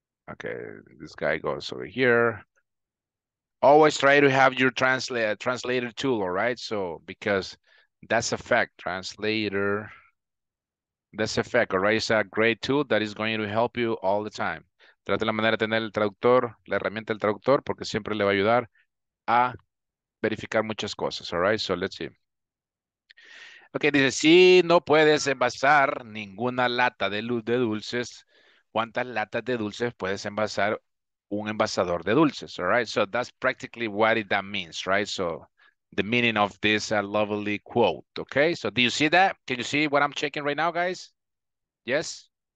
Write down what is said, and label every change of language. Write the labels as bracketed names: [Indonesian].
[English] Okay, this guy goes over here. Always try to have your translator tool, all right? So, because that's a fact, translator. That's a fact, all right? It's a great tool that is going to help you all the time. [Spanish] Trate la manera de tener el traductor, la herramienta del traductor, porque siempre le va a ayudar a verificar muchas cosas, all right? [English] So, let's see. [Spanish] Okay, dice, si no puedes envasar ninguna lata de luz de dulces, ¿cuántas latas de dulces puedes envasar un envasador de dulces? [English] All right, so that's practically what that means, right? So the meaning of this lovely quote, okay? So do you see that? Can you see what I'm checking right now, guys? Yes?